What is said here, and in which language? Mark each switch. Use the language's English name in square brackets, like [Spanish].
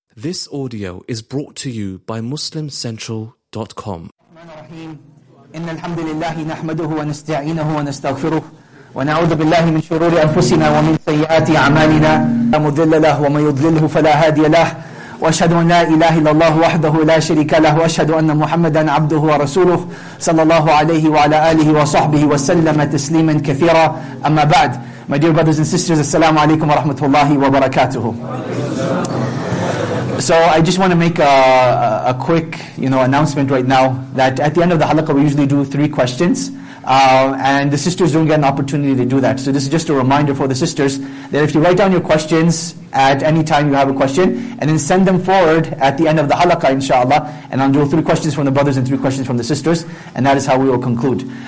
[English] This audio is brought to you by MuslimCentral.com. [Arabic] إن الحمد لله نحمده ونستعينه ونستغفره ونعوذ بالله من شرور أنفسنا ومن سيئات أعمالنا لا مضل له ومن يضلله فلا هادي له وأشهد أن لا إله إلا الله وحده لا شريك له وأشهد أن محمدا عبده ورسوله صلى الله عليه وعلى آله وصحبه وسلم تسليما كثيرا أما بعد. [English] My dear brothers and sisters, assalamu alaikum wa rahmatullahi wa barakatuhu. So I just want to make a quick, you know, announcement right now that at the end of the halaqah we usually do three questions, and the sisters don't get an opportunity to do that. So this is just a reminder for the sisters that if you write down your questions at any time you have a question, and then send them forward at the end of the halaqah, inshallah, and I'll do three questions from the brothers and three questions from the sisters, and that is how we will conclude.